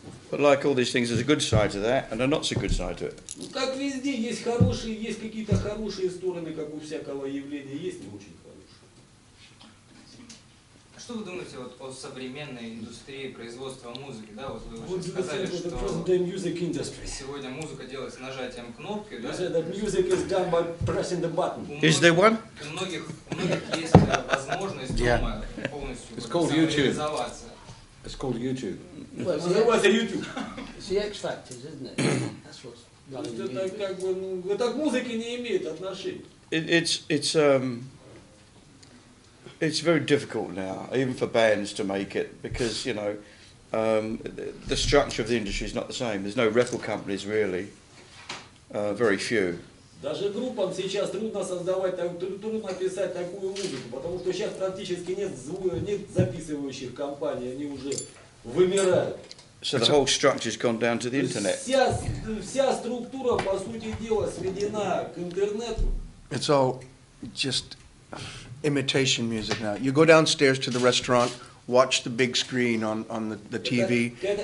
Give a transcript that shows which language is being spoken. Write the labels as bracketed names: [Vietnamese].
[English] But like all these things, there's a good side to that and a not so good side to it. [Russian] Как везде есть хорошие, есть какие-то хорошие стороны, как у всякого явления, есть не очень хорошие. Что вы думаете вот о современной индустрии производства музыки, да? Вот вы сказали, что сегодня музыка делается нажатием кнопки. [English] You said that music is done by pressing the button. Is there one? [Russian] У многих есть возможность полностью. [English] It's called YouTube. It's called YouTube. It's the X Factors, isn't it? That's what's It's very difficult now, even for bands to make it, because, you know, the structure of the industry is not the same. There's no record companies, really. Very few. [Russian] Даже группам сейчас трудно трудно писать такую музыку, потому что сейчас практически нет записывающих компаний, они уже вымирают. [English] So the whole structure's gone down to the internet. [Russian] Вся структура, по сути дела, сведена к интернету. [English] It's all just imitation music now. You go downstairs to the restaurant, watch the big screen on the TV.